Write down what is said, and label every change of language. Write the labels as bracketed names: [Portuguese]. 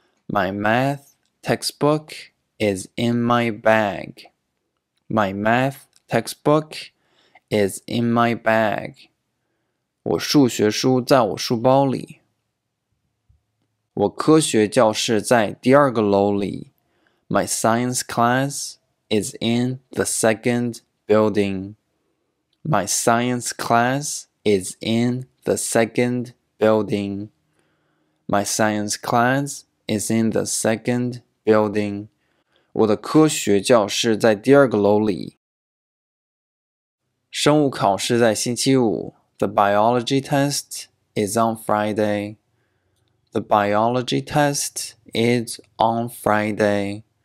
[English] My math textbook is in my bag. My math textbook is in my bag. [Chinese] 我数学书在我书包里。我科学教室在第二个楼里。 [English] My science class is in the second building. My science class is in the second building. My science class is in the second building. [Chinese] 我的科学教室在第二个楼里。生物考试在星期五。 [English] The biology test is on Friday. The biology test is on Friday.